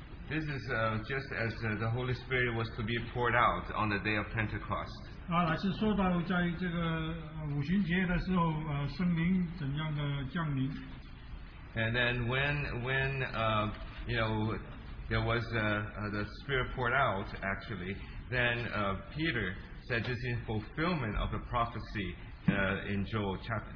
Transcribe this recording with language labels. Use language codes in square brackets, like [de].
[en] This is just as the Holy Spirit was to be poured out on the day of Pentecost. [zh] 老师说到在这个五旬节的时候，圣灵怎样的降临？ [en] And then when you know, there was the Spirit poured out, actually, then Peter said this in fulfillment of the prophecy in Joel chapter.